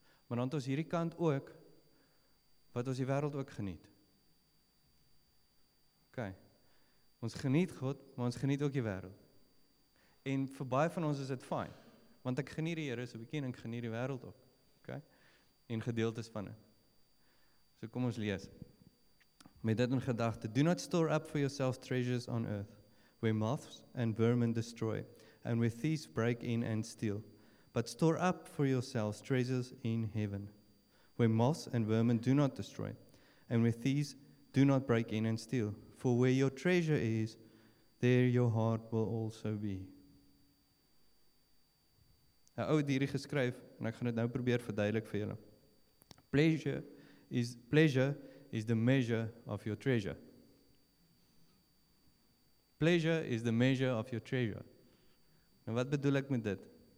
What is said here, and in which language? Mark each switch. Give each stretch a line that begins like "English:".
Afrikaans: Maar dan het ons hierdie kant ook, wat ons die wereld ook geniet. Okay, ons geniet God, maar ons geniet ook die wereld. En vir baie van ons is dit fijn, want ek geniet die Here so bietjie en ek geniet die wereld ook. Okay, en gedeeltes van het. So kom ons lees. Met dit in gedachte,
English: do not store up for yourself treasures on earth, where moths and vermin destroy, and where thieves break in and steal. But store up for yourselves treasures in heaven, where moths and vermin do not destroy, and where thieves do not break in and steal. For where your treasure is, there your heart will also be.
Afrikaans: Een oud dierie geskryf, en ek gaan dit nou probeer verduidelik vir julle.
English: Pleasure is the measure of your treasure. Pleasure is the measure of your treasure.
Afrikaans: En wat bedoel ek met dit?